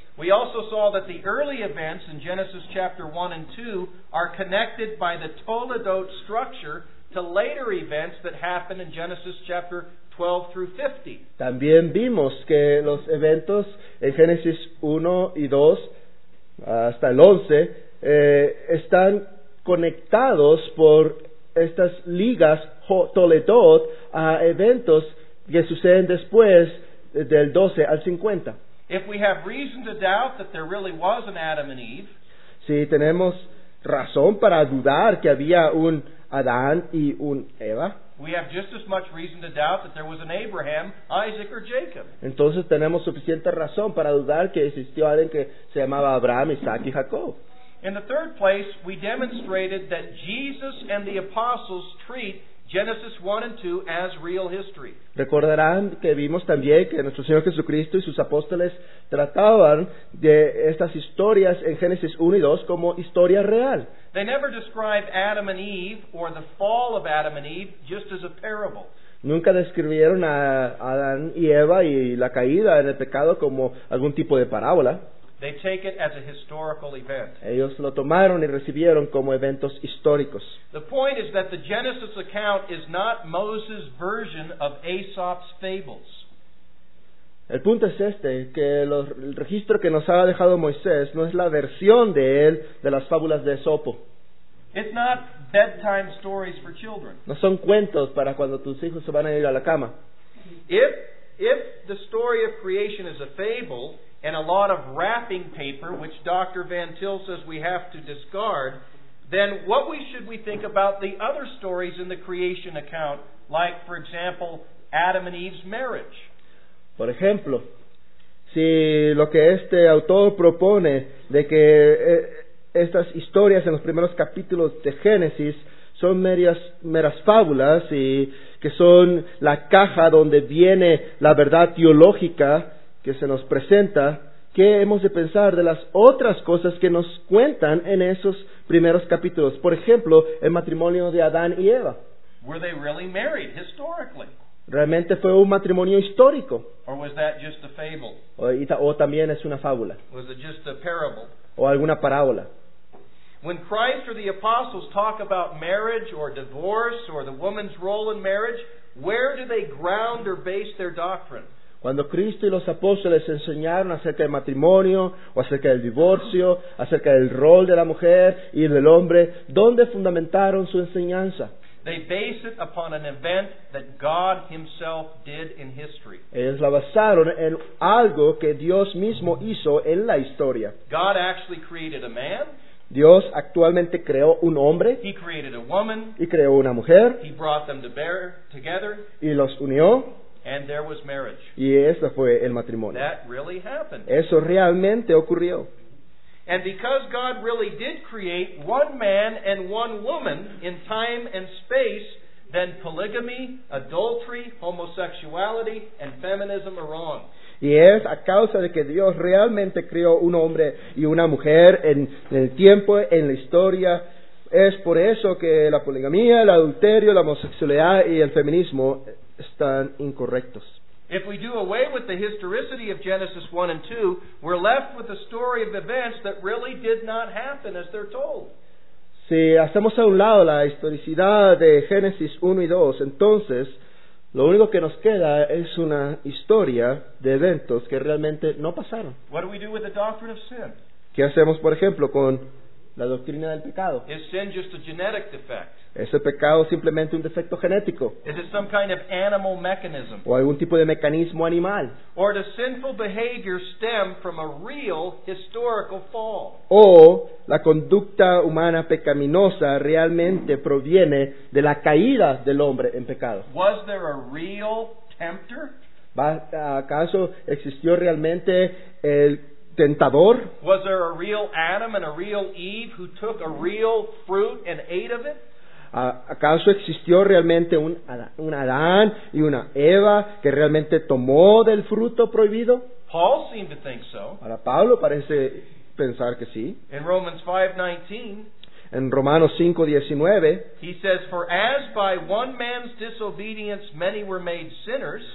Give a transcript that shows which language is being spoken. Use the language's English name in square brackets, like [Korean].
[English] We also saw that the early events in Genesis chapter 1 and 2 are connected by the Toledot structure to later events that happen in Genesis chapter 12 through 50. [Spanish] También vimos que los eventos en Génesis 1 y 2 hasta el 11 están conectados por estas ligas Toledot a eventos que suceden después del 12 al 50. [English] If we have reason to doubt that there really was an Adam and Eve, [Spanish] si tenemos razón para dudar que había un Adán y un Eva, [English] we have just as much reason to doubt that there was an Abraham, Isaac, or Jacob. [Spanish] Entonces tenemos suficiente razón para dudar que existió alguien que se llamaba Abraham, Isaac, y Jacob. [English] In the third place, we demonstrated that Jesus and the apostles treat Genesis 1 and 2 as real history. [Spanish] Recordarán que vimos también que nuestro Señor Jesucristo y sus apóstoles trataban de estas historias en Génesis 1 y 2 como historia real. [English] They never describe Adam and Eve or the fall of Adam and Eve just as a parable. [Spanish] Nunca describieron a Adán y Eva y la caída en el pecado como algún tipo de parábola. [English] They take it as a historical event. [Spanish] Ellos lo tomaron y recibieron como eventos históricos. [English] The point is that the Genesis account is not Moses' version of Aesop's fables. [Spanish] El punto es este, que el registro que nos ha dejado Moisés no es la versión de él de las fábulas de Esopo. [English] It's not bedtime stories for children. [Spanish] No son cuentos para cuando tus hijos se van a ir a la cama. [English] If the story of creation is a fable, and a lot of wrapping paper, which Dr. Van Til says we have to discard, then what should we think about the other stories in the creation account, like, for example, Adam and Eve's marriage? [Spanish] Por ejemplo, si lo que este autor propone de que estas historias en los primeros capítulos de Génesis son meras fábulas y que son la caja donde viene la verdad teológica que se nos presenta, ¿qué hemos de pensar de las otras cosas que nos cuentan en esos primeros capítulos? Por ejemplo, el matrimonio de Adán y Eva. [English] Were they really married historically? [Spanish] ¿Realmente fue un matrimonio histórico? [English] Or was that just a fable? [Spanish] ¿O también es una fábula? [English] Was it just a parable? [Spanish] ¿O alguna parábola? [English] When Christ or the apostles talk about marriage or divorce or the woman's role in marriage, where do they ground or base their doctrine? [Spanish] Cuando Cristo y los apóstoles enseñaron acerca del matrimonio, o acerca del divorcio, acerca del rol de la mujer y del hombre, ¿dónde fundamentaron su enseñanza? [English] They base it upon an event that God himself did in history. [Spanish] Ellos la basaron en algo que Dios mismo hizo en la historia. [English] God actually created a man. [Spanish] Dios actualmente creó un hombre. [English] He created a woman. [Spanish] Y creó una mujer. [English] He brought them to bear together. [Spanish] Y los unió. [English] And there was marriage. [Spanish] Y ese fue el matrimonio. [English] That really happened. [Spanish] Eso realmente ocurrió. [English] And because God really did create one man and one woman in time and space, then polygamy, adultery, homosexuality, and feminism are wrong. [Spanish] Y es a causa de que Dios realmente creó un hombre y una mujer en el tiempo, en la historia. Es por eso que la poligamia, el adulterio, la homosexualidad y el feminismo están incorrectos. [English] If we do away with the historicity of Genesis 1 and 2, we're left with a story of events that really did not happen as they're told. [Spanish] Si hacemos a un lado la historicidad de Génesis 1 y 2, entonces lo único que nos queda es una historia de eventos que realmente no pasaron. [English] What do we do with the doctrine of sin? [Spanish] ¿Qué hacemos, por ejemplo, con la doctrina del pecado? [English] Is sin just a genetic defect? [Spanish] ¿Es el pecado simplemente un defecto genético? [English] Is it some kind of animal mechanism? [Spanish] ¿O algún tipo de mecanismo animal? [English] Or does sinful behavior stem from a real historical fall? [Spanish] ¿O la conducta humana pecaminosa realmente proviene de la caída del hombre en pecado? [English] Was there a real tempter? [Spanish] ¿Acaso existió realmente el tentador? [English] Was there a real Adam and a real Eve who took a real fruit and ate of it? [Spanish] ¿Acaso existió realmente un Adán y una Eva que realmente tomó del fruto prohibido? [English] Paul seemed to think so. [Spanish] Ahora Pablo parece pensar que sí. [English] In Romans 5:19, [Spanish] en Romanos 5:19, [English] he says, "For as by one man's disobedience many were made sinners."